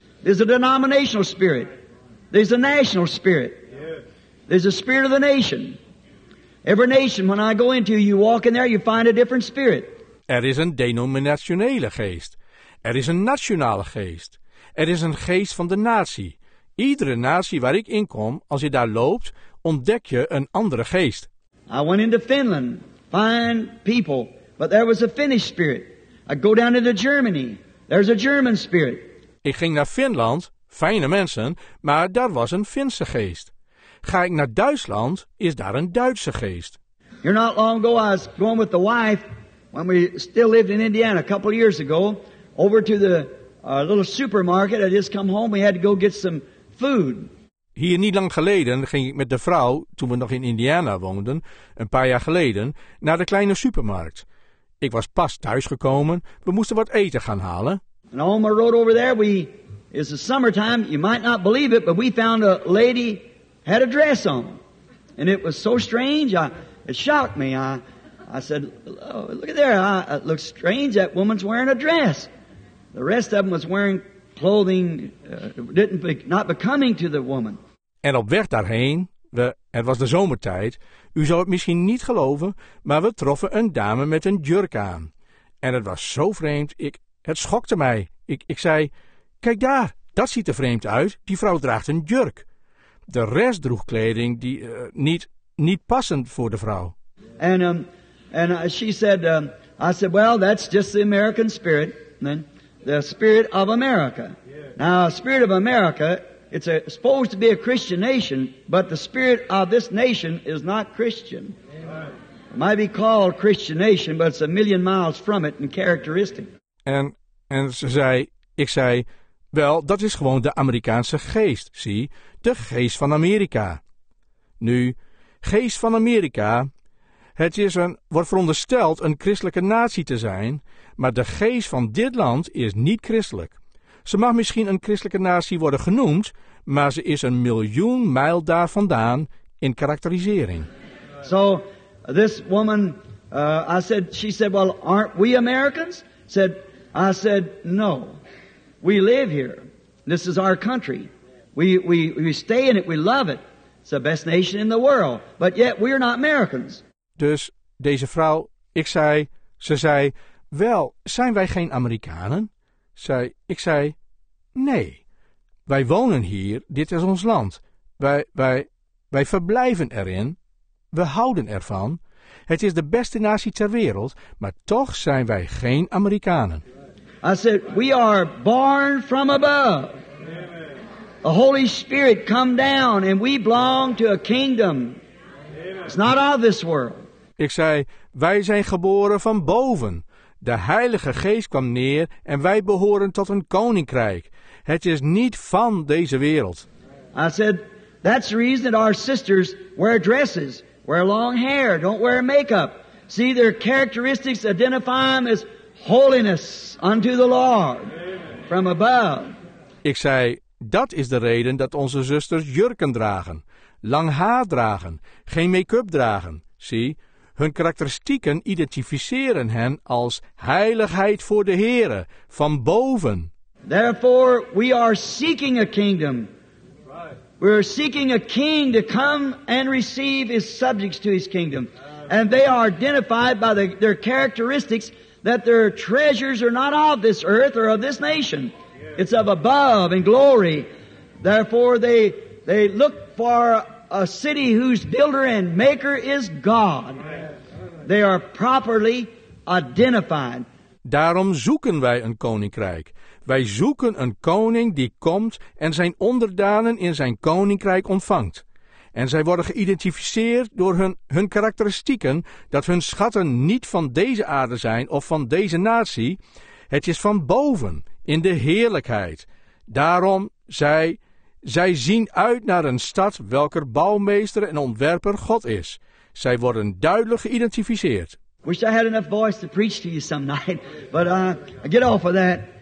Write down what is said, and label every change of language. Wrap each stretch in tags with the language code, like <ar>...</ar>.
<en>There's a denominational spirit. There's a national spirit. There's a spirit of the nation. Every nation, when I go into you, you walk in there, you find a different spirit.</en> <nl>Er is een denominationele geest. Er is een nationale geest. Er is een geest van de natie. Iedere natie waar ik in kom, als je daar loopt, ontdek je een andere geest.</nl> <en>I went into Finland, fine people, but there was a Finnish spirit. I go down into Germany, there's a German spirit.</en> <nl>Ik ging naar Finland, fijne mensen, maar daar was een Finse geest. Ga ik naar Duitsland, is daar een Duitse geest.</nl> <en>You're not long ago, I was going with the wife. When we still lived in Indiana a couple of years ago, over to the little supermarket, I just come home, we had to go get some food.</en> <nl>Hier niet lang geleden ging ik met de vrouw, toen we nog in Indiana woonden, een paar jaar geleden, naar de kleine supermarkt. Ik was pas thuisgekomen, we moesten wat eten gaan halen.</nl> <en>And on the road over there, it's the summertime, you might not believe it, but we found a lady had a dress on. And it was so strange, it shocked me. I said, oh, look at there, it looks strange, that woman's wearing a dress. The rest of them was wearing clothing, not becoming to the woman.</en> <nl>En op weg daarheen, het was de zomertijd, u zou het misschien niet geloven, maar we troffen een dame met een jurk aan. En het was zo vreemd, het schokte mij. Ik zei, kijk daar, dat ziet er vreemd uit, die vrouw draagt een jurk. De rest droeg kleding die niet passend voor de vrouw.</nl> <en>And she said, I said, well, that's just the American spirit, the spirit of America. Now, spirit of America, it's supposed to be a Christian nation, but the spirit of this nation is not Christian. It might be called Christian nation, but it's a million miles from it in characteristic.</en> <nl>En ze zei, ik zei, wel, dat is gewoon de Amerikaanse geest, zie, de geest van Amerika. Nu, geest van Amerika, het is wordt verondersteld een christelijke natie te zijn, maar de geest van dit land is niet christelijk. Ze mag misschien een christelijke natie worden genoemd, maar ze is een miljoen mijl daar vandaan in karakterisering.</nl> <en>So, this woman, I said, she said, well, aren't we Americans? I said, no, we live here. This is our country. We stay in it. We love it. It's the best nation in the world. But yet, we are not Americans.</en> <nl>Dus deze vrouw, ze zei, wel, zijn wij geen Amerikanen? Ik zei, nee, wij wonen hier, dit is ons land. Wij verblijven erin, we houden ervan. Het is de beste natie ter wereld, maar toch zijn wij geen Amerikanen.</nl> <en>I said, we are born from above. The Holy Spirit come down and we belong to a kingdom. It's not of this world.</en> <nl>Ik zei, wij zijn geboren van boven. De Heilige Geest kwam neer en wij behoren tot een koninkrijk. Het is niet van deze wereld.</nl> <en>I said, that's the reason that our sisters wear dresses, wear long hair, don't wear makeup. See, their characteristics identify them as holiness unto the Lord from above.</en> <nl>Ik zei, dat is de reden dat onze zusters jurken dragen, lang haar dragen, geen make-up dragen. Zie, hun karakteristieken identificeren hen als heiligheid voor de Heere, van boven.</nl> <en>Therefore, we are seeking a kingdom. We are seeking a king to come and receive his subjects to his kingdom. And they are identified by their characteristics that their treasures are not of this earth or of this nation. It's of above in glory. Therefore, they look for a city whose builder and maker is God. They are properly identified.</en> <nl>Daarom zoeken wij een koninkrijk. Wij zoeken een koning die komt en zijn onderdanen in zijn koninkrijk ontvangt. En zij worden geïdentificeerd door hun karakteristieken, dat hun schatten niet van deze aarde zijn of van deze natie. Het is van boven, in de heerlijkheid. Daarom, zij zien uit naar een stad welker bouwmeester en ontwerper God is. Zij worden duidelijk geïdentificeerd.</nl> <en>Wish I had enough voice to preach to you some night, but I get off of that.</en>